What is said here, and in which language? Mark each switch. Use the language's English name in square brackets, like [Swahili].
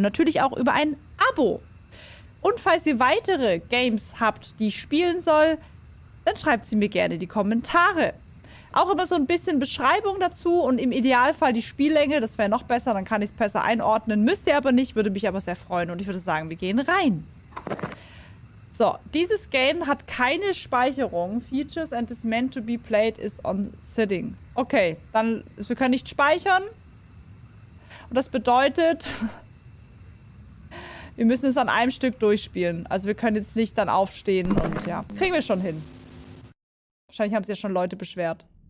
[German] Natürlich auch über ein Abo. Und falls ihr weitere Games habt, die ich spielen soll, dann schreibt sie mir gerne in die Kommentare. Auch immer so ein bisschen Beschreibung dazu und im Idealfall die Spiellänge. Das wäre noch besser, dann kann ich es besser einordnen. Müsst ihr aber nicht, würde mich aber sehr freuen. Und ich würde sagen, wir gehen rein. So, dieses Game hat keine Speicherung. [English] Features and is meant to be played is on sitting. [German] Okay, dann, wir können nicht speichern. Und das bedeutet, wir müssen es an einem Stück durchspielen. Also wir können jetzt nicht dann aufstehen und ja, kriegen wir schon hin. Wahrscheinlich haben sich ja schon Leute beschwert.